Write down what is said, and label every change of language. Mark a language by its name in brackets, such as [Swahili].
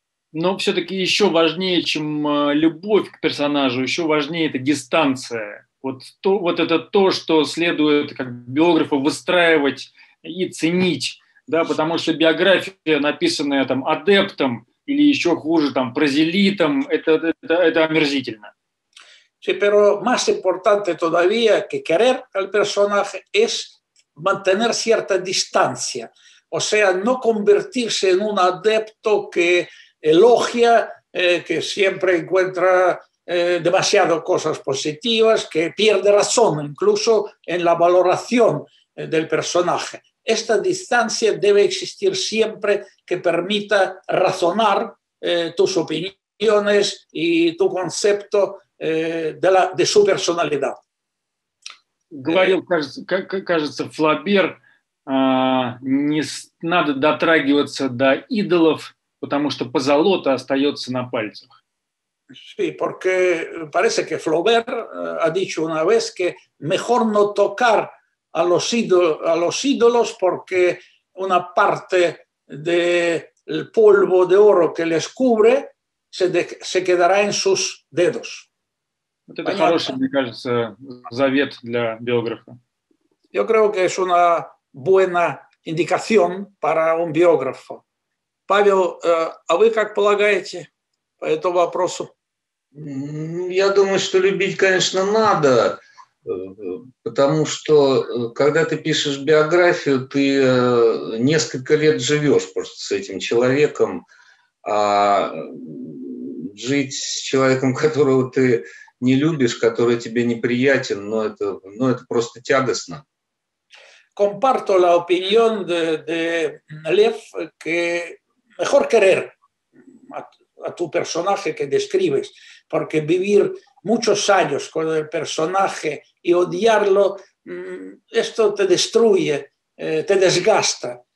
[Russian] Но все-таки еще важнее, чем любовь к персонажу, еще важнее это дистанция. Вот, то, вот это то, что следует как биографу выстраивать и ценить. Да, потому что биография, написанная там, адептом или еще хуже, там, прозелитом, это омерзительно. [Spanish] Sí, pero más importante todavía que querer al personaje es mantener cierta distancia. O sea, no convertirse en un adepto que elogia, que siempre encuentra demasiado cosas positivas, que pierde razón incluso en la valoración del personaje. Esta distancia debe existir siempre, que permita razonar tus opiniones y tu concepto de su personalidad. [Russian] Говорил, кажется, Флобер, не надо дотрагиваться до идолов, потому что позолота остается на пальцах. [Spanish] Sí, porque parece que Flaubert ha dicho una vez que mejor no tocar a los ídolos porque una parte del polvo de oro que les cubre se quedará en sus dedos. [Russian] Вот это хороший, мне кажется, завет для биографа. [Spanish] Yo creo que es una buena indicación para un biógrafo. [Russian] Павел, а вы как полагаете по этому вопросу? Я думаю, что любить, конечно, надо, потому что, когда ты пишешь биографию, ты несколько лет живешь просто с этим человеком, а жить с человеком, которого ты не любишь, который тебе неприятен, это просто тягостно. [Spanish] Comparto la opinión de Лев, que mejor querer a tu personaje que describes, porque vivir muchos años con el personaje y odiarlo, esto te destruye, te desgasta.